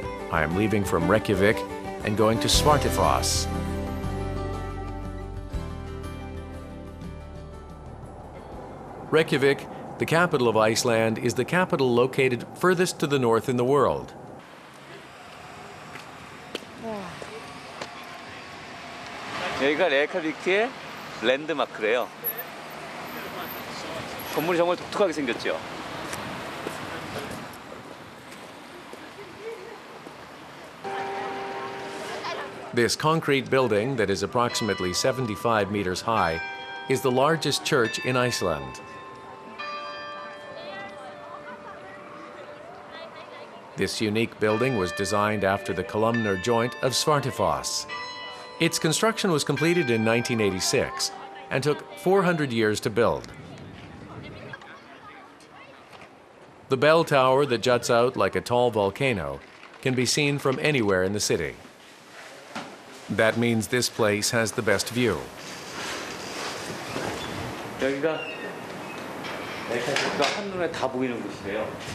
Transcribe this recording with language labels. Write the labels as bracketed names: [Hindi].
[English] I am leaving from Reykjavik and going to Svartifoss. Reykjavik, the capital of Iceland, is the capital located furthest to the north in the world. Yeah. [Korean] 여기가 레이크비크의 랜드마크래요. 건물이 정말 독특하게 생겼죠. [English] This concrete building that is approximately 75 meters high is the largest church in Iceland. This unique building was designed after the columnar joint of Svartifoss. Its construction was completed in 1986 and took 400 years to build. The bell tower that juts out like a tall volcano can be seen from anywhere in the city. That means this place has the best view. [Korean] 여기가 레이크비크가 한눈에 다 보이는 곳이에요.